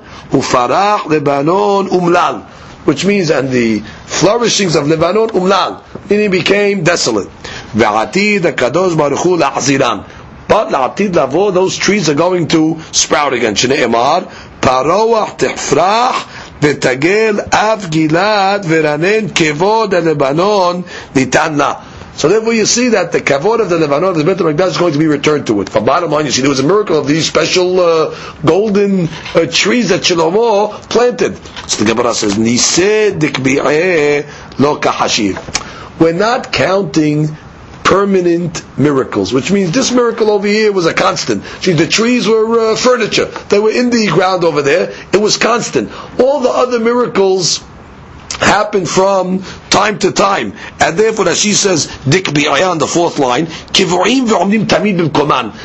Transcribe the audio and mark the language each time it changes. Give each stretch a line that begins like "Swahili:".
English: Ufarach Lebanon Umlal, which means, and the flourishings of Lebanon Umlal, and it became desolate.
Hebrew: ועתיד הקדוש ברוך הוא להחזירם.
English: But לעתיד לבוא, those trees are going to sprout again.
Hebrew: שנאמר, פרוח תפרח ותגל אב גלעד ורנן כבוד הלבנון ניתן לה.
English: So therefore you see that the kavod of the Lebanon, the Beit HaMikdash, is going to be returned to it. For bottom line, you see, there was a miracle of these special golden trees that Shlomo planted. So the Gemara says,
Aramaic: ניסה דקביעי לא כחשיב.
English: We're not counting permanent miracles, which means this miracle over here was a constant. See, the trees were furniture. They were in the ground over there. It was constant. All the other miracles happen from time to time. And therefore, as she says, Dik bi'ayah on the fourth line, Kivu'im v'omnim tamid b'mkoman.